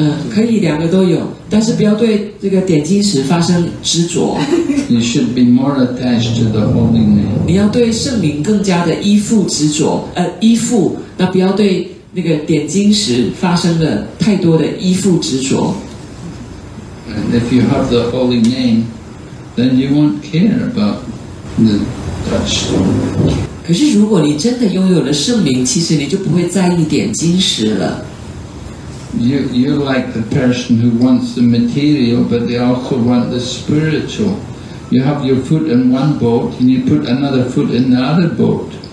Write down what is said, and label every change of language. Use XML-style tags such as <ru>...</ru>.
<zh>可以两个都有，但是不要对这个点金石发生执着。</zh> <en>You should be more attached to the holy name.</en> <zh>你要对圣灵更加的依附执着，依附，那不要对那个点金石发生了太多的依附执着。</zh> <en>And if you have the holy name, then you won't care about the touchstone.</en> <zh>可是如果你真的拥有了圣灵，其实你就不会在意点金石了。</zh> <en>You like the person who wants the material, but they also want the spiritual. You have your foot in one boat, and you put another foot in the other boat.</en>